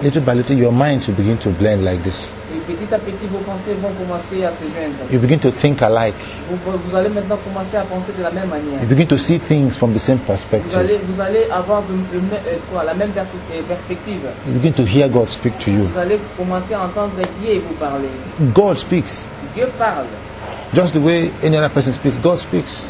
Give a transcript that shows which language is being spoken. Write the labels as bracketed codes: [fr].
[en] Little by little, your mind will begin to blend like this. [fr] Et petit à petit, vos pensées vont commencer à se joindre. [en] You begin to think alike. [fr] Vous allez maintenant commencer à penser de la même manière. [en] You begin to see things from the same perspective. [fr] Vous allez avoir la même perspective. [en] You begin to hear God speak to you. [fr] Vous allez commencer à entendre Dieu vous parler. [en] God speaks. [fr] Dieu parle. [en] Just the way any other person speaks, God speaks.